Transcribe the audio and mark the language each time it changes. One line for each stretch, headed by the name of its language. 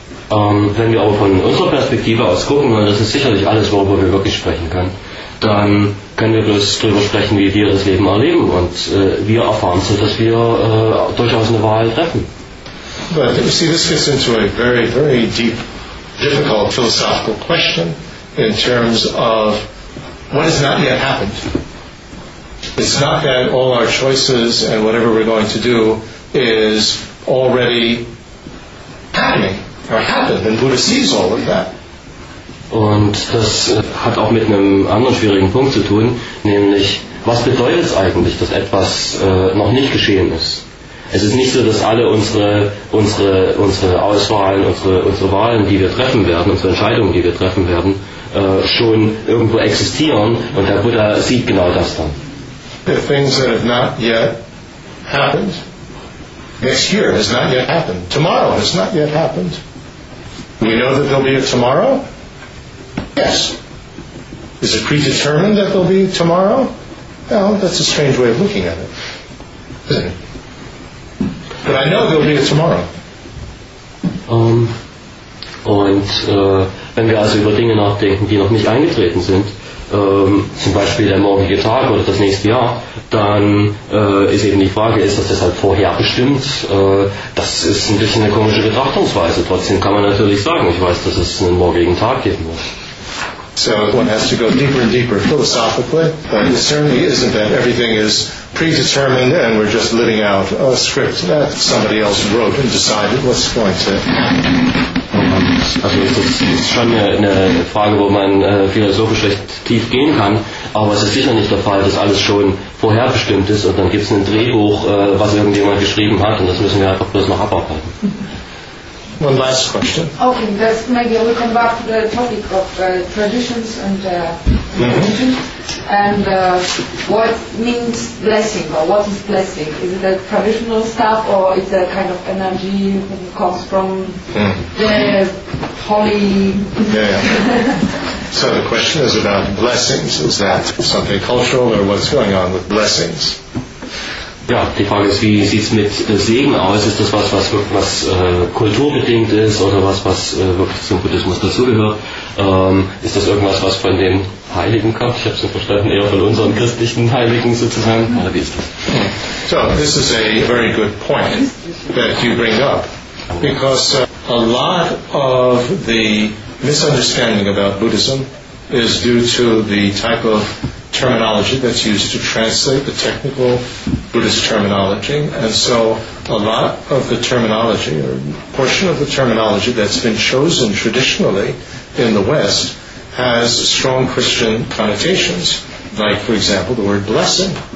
German: Wenn wir aber von unserer Perspektive aus gucken, und das ist sicherlich alles, worüber wir wirklich sprechen können, dann können wir bloß darüber sprechen, wie wir das Leben erleben, und wir erfahren so, dass wir durchaus eine Wahl treffen.
English: But you see, this gets into a very, very deep, difficult philosophical question in terms of what has not yet happened. It's not that all our choices and whatever we're going to do is already happening. Or happened, and Buddha sees all of that.
German: Und das hat auch mit einem anderen schwierigen Punkt zu tun, nämlich, was bedeutet es eigentlich, dass etwas noch nicht geschehen ist? Es ist nicht so, dass alle unsere Auswahlen, unsere Wahlen, die wir treffen werden, unsere Entscheidungen, die wir treffen werden, schon irgendwo existieren, und der Buddha sieht genau das dann.
English: The things that have not yet happened. Next year has not yet happened. Tomorrow has not yet happened. We know that there'll be a tomorrow? Yes. Is it predetermined that there'll be a tomorrow? Well, that's a strange way of looking at it, isn't it? But I know there'll be a tomorrow.
German: Wenn wir also über Dinge nachdenken, die noch nicht eingetreten sind, zum Beispiel der morgige Tag oder das nächste Jahr, dann ist eben die Frage, ist das deshalb vorherbestimmt? Das ist ein bisschen eine komische Betrachtungsweise. Trotzdem kann man natürlich sagen, ich weiß, dass es einen morgigen Tag geben muss.
English: So one has to go deeper and deeper philosophically, but it certainly isn't that everything is predetermined and we're just living out a script that somebody else wrote and decided what's going to happen.
German: Also das ist schon eine Frage, wo man philosophisch recht tief gehen kann, aber es ist sicher nicht der Fall, dass alles schon vorherbestimmt ist und dann gibt es ein Drehbuch, was irgendjemand geschrieben hat, und das müssen wir einfach bloß noch abarbeiten.
English: One last question. Okay, that's maybe we come back to the topic of traditions and religion. And what means blessing, or what is blessing? Is it a traditional stuff, or is it a kind of energy that comes from the holy? So the question is about blessings. Is that something cultural, or what's going on with blessings?
German: Ja, die Frage ist, wie sieht es mit Segen aus? Ist das was kulturbedingt ist, oder was wirklich zum Buddhismus dazugehört? Ist das irgendwas, was von den Heiligen kommt? Ich habe es so verstanden, eher von unseren christlichen Heiligen sozusagen. Oder wie ist das?
English: So, this is a very good point that you bring up. Because a lot of the misunderstanding about Buddhism is due to the type of terminology that's used to translate the technical Buddhist terminology, and so a lot of the terminology, or portion of the terminology that's been chosen traditionally in the West, has strong Christian connotations, like, for example, the word blessing.